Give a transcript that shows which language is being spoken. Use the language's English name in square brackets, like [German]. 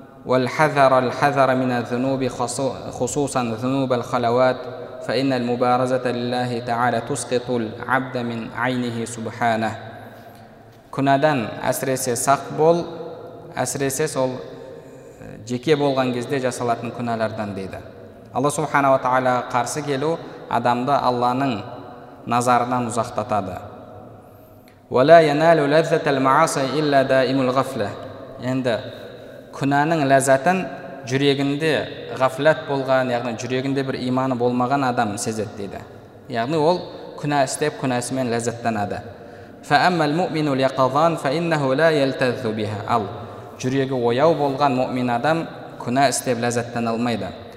[Arabic] والحذر من الذنوب خصوصا ذنوب الخلوات فإن المبارزة لله تعالى تسقط العبد من عينه سبحانه. [Kazakh] Күнәдан әсіресе сақ бол, әсіресе сол жеке болған кезде жасалатын күнәлардан дейді. Алла субхана ва тағала қарсы келу адамды Алланың назарынан ұзақтатады. [Arabic] ولا ينال لذة المعاصي إلا دائم الغفلة. [Kazakh] Енді күнәнің ләззатын жүрегінде ғафлат болған, яғни жүрегінде бір иманы болмаған адам сезеді дейді. Яғни ол күнә істеп, күнәсімен ләззаттанады. [Arabic] فَأَمَّا الْمُؤْمِنُ الْيَقَظَانُ فَإِنَّهُ لَا يَلْتَذُّ بِهَا. [Kazakh] Ал жүрегі ояу болған мұмин адам күнә істеп ләззаттан алмайды.